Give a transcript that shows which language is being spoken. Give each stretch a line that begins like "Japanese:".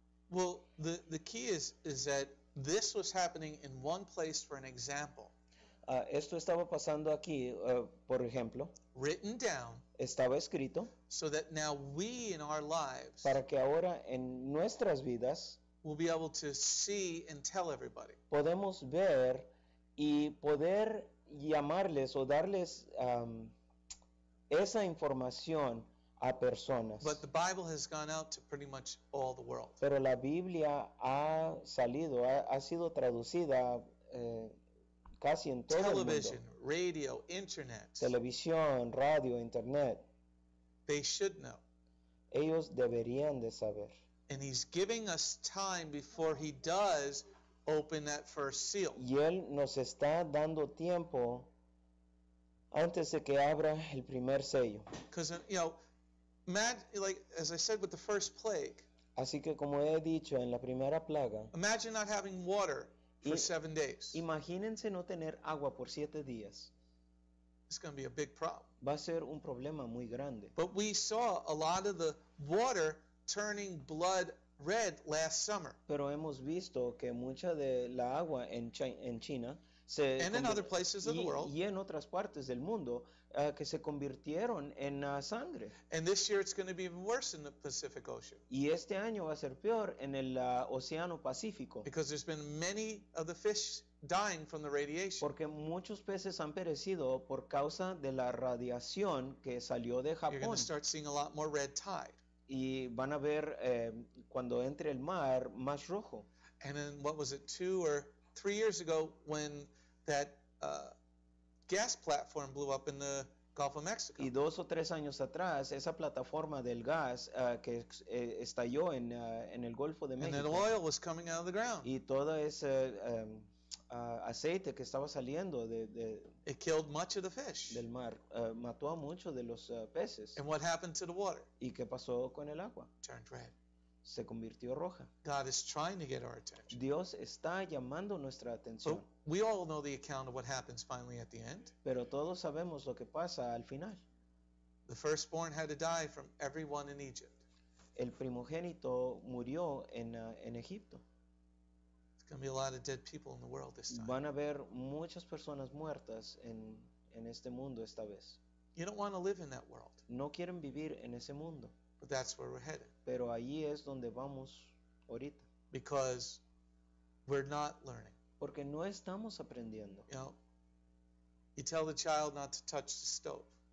English: Well, the key is that this was happening in one place for an example.
Spanish: Esto estaba pasando aquí, por ejemplo.
English: Written down.
Spanish: Estaba escrito.
English: So that now we in our lives.
Spanish: Para que ahora en nuestras vidas.
English: We'll be able to see and tell everybody.
Spanish: Podemos ver y poder llamarles o darles esa información. A personas.
English: But the Bible has gone out to pretty much all the world.
Spanish: Pero la Biblia ha salido, ha sido traducida casi en todo
English: Television,
Spanish: el mundo.
English: Radio, internet.
Spanish: Televisión, radio, internet.
English: They should know.
Spanish: Ellos deberían de saber.
English: And he's giving us time before he does open that first seal.
Spanish: Y él nos está dando tiempo antes de que abra el primer sello.
English: Because, you know, imagine, like as I said with the first plague.
Spanish: Así que como he dicho en la primera plaga.
English: Imagine not having water for 7 days.
Spanish: Imagínense no tener agua por 7 días.
English: It's going to be a big problem.
Spanish: Va a ser un problema muy grande.
English: But we saw a lot of the water turning blood red last summer.
Spanish: Pero hemos visto que mucha de la agua en China. Se
English: and in other places of the world.
Spanish: Y en otras partes del mundo que se convirtieron en sangre.
English: And this year it's going to be even worse in the Pacific Ocean.
Spanish: Y este año va a ser peor en el Océano Pacífico.
English: Because there's been many of the fish dying from the radiation.
Spanish: Porque muchos peces han perecido por causa de la radiación que salió de Japón.
English: You're going to start seeing a lot more red tide.
Spanish: Y van a ver cuando entre el mar más rojo.
English: And then what was it, 2 or 3 years ago when that gas platform blew up in the Gulf of Mexico.
Spanish: Y dos o tres años atrás, esa plataforma del gas que estalló en el Golfo de México.
English: And then oil was coming out of the ground.
Spanish: Y todo ese aceite que estaba saliendo de
English: It killed much of the fish.
Spanish: Del mar. Mató a muchos de los peces.
English: And what happened to the water?
Spanish: ¿Y qué pasó con el agua?
English: Turned red.
Spanish: Se convirtió roja.
English: God is trying to get our attention.
Spanish: Dios está llamando nuestra atención.
English: But we all know the account of what happens finally at the end.
Spanish: Pero todos sabemos lo que pasa al final.
English: The firstborn had to die from everyone in Egypt.
Spanish: El primogénito murió en Egipto.
English: There's going to be a lot of dead people in the world this time.
Spanish: Van a haber muchas personas muertas en este mundo esta vez.
English: You don't want to live in that world.
Spanish: No quieren vivir en ese mundo.
English: But that's where we're headed.
Spanish: Pero allí es donde vamos ahorita.
English: Because we're not learning.
Spanish: Porque no estamos aprendiendo.
English: You know, you tell the child not to touch the stove.